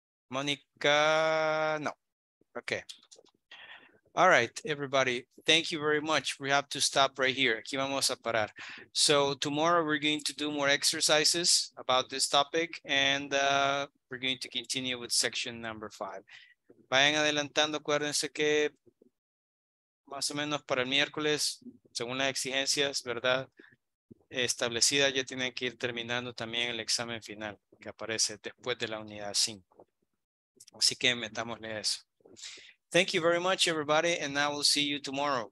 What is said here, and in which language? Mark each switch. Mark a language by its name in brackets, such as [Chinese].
[English] Mónica, no. Okay. All right, everybody. Thank you very much. We have to stop right here. [Spanish] Aquí vamos a parar. [English] So tomorrow we're going to do more exercises about this topic, and we're going to continue with section number 5. [Spanish] Vayan adelantando, acuérdense que más o menos para el miércoles, según las exigencias, ¿verdad? Establecidas, ya tienen que ir terminando también el examen final que aparece después de la unidad 5. Así que metámosle eso. [English] Thank you very much, everybody, and I will see you tomorrow.